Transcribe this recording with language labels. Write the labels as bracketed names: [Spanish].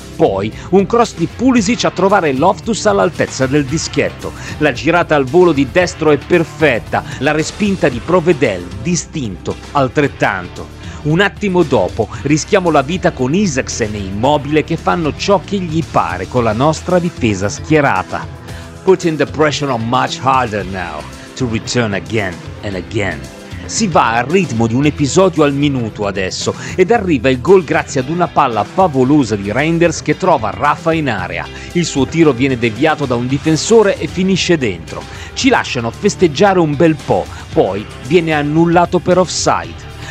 [Italian] Poi un cross di Pulisic a trovare Loftus all'altezza del dischetto. La girata al volo di destro è perfetta, la respinta di Provedel distinto altrettanto. Un attimo dopo rischiamo la vita con Isaksen e Immobile che fanno ciò che gli pare con la nostra difesa schierata. [English] Putting the pressure on much harder now to return again and again. [Italian] Si va al ritmo di un episodio al minuto adesso ed arriva il gol grazie ad una palla favolosa di Reinders che trova Rafa in area. Il suo tiro viene deviato da un difensore e finisce dentro. Ci lasciano festeggiare un bel po', poi viene annullato per offside.